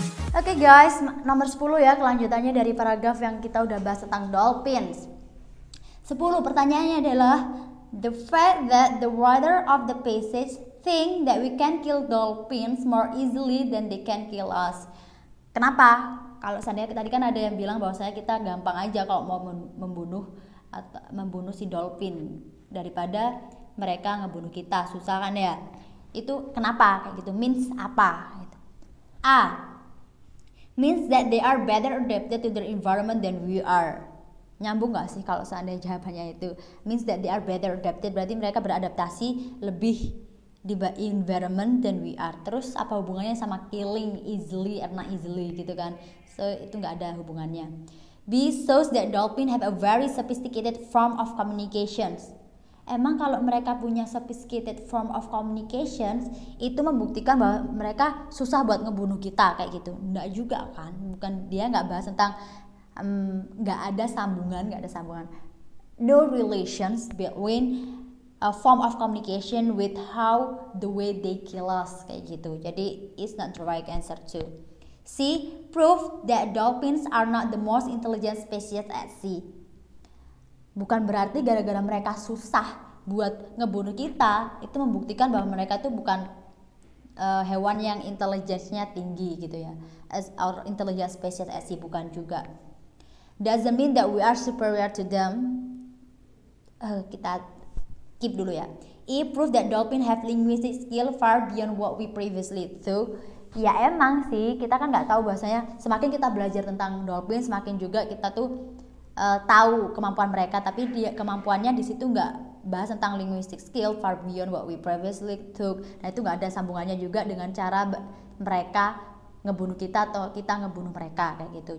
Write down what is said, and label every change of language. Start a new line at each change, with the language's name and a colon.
Indonesian: Oke guys, nomor 10 ya, kelanjutannya dari paragraf yang kita udah bahas tentang dolphins. 10, pertanyaannya adalah
English: the fact that the writer of the passage think that we can kill dolphins more easily than they can kill us.
Indonesian: Kenapa? Kalau seandainya tadi kan ada yang bilang bahwasanya kita gampang aja kalau mau membunuh atau membunuh si dolphin daripada mereka ngebunuh kita, susah kan ya? Itu kenapa kayak gitu? Means apa? A.
English: Means that they are better adapted to their environment than we are.
Indonesian: Nyambung gak sih kalau seandainya jawabannya itu?
English: Means that they are better adapted,
Indonesian: berarti mereka beradaptasi lebih di
English: environment than we are.
Indonesian: Terus apa hubungannya sama
English: killing easily or not easily
Indonesian: gitu kan? So itu gak ada hubungannya. B.
English: Shows that dolphins have a very sophisticated form of communications.
Indonesian: Emang kalau mereka punya
English: sophisticated form of communications,
Indonesian: itu membuktikan bahwa mereka susah buat ngebunuh kita kayak gitu. Enggak juga kan? Bukan, dia enggak bahas tentang enggak ada sambungan.
English: No relations between a form of communication with how the way they kill us
Indonesian: kayak gitu. Jadi
English: it's not the right answer too. C, proof that dolphins are not the most intelligent species at sea.
Indonesian: Bukan berarti gara-gara mereka susah buat ngebunuh kita, itu membuktikan bahwa mereka itu bukan hewan yang intelligence-nya tinggi gitu ya.
English: As our intelligent species as
Indonesian: bukan juga.
English: Doesn't mean that we are superior to them.
Indonesian: Kita keep dulu ya.
English: It proves that dolphins have linguistic skill far beyond what we previously thought.
Indonesian: Ya emang sih, kita kan gak tahu bahasanya. Semakin kita belajar tentang dolphin, semakin juga kita tuh tahu kemampuan mereka, tapi dia kemampuannya di situ nggak bahas tentang
English: linguistic skill far beyond what we previously took.
Indonesian: Nah itu nggak ada sambungannya juga dengan cara mereka ngebunuh kita atau kita ngebunuh mereka kayak gitu.